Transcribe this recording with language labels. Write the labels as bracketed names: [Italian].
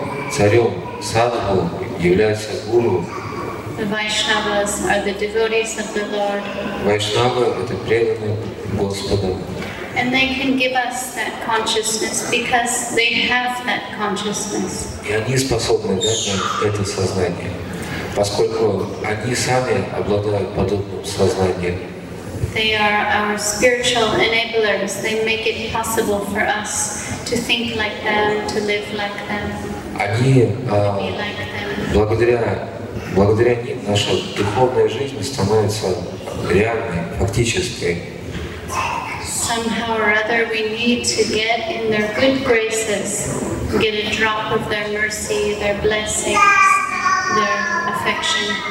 [Russian] Царем садху является гуру. [English] The vaishnavas are the devotees of the Lord. [Russian] Вайшнавы — это преданные Господа. [English] And they can give us that consciousness because they have that consciousness. [Russian] И они способны дать нам это сознание, поскольку они сами обладают подобным сознанием. [English] They are our spiritual enablers. They make it possible for us to think like them, to live like them. [Russian] Они, благодаря ним наша духовная жизнь становится реальной, фактической. [English] Somehow or other we need to get in their good graces, get a drop of their mercy, their blessings, their affection.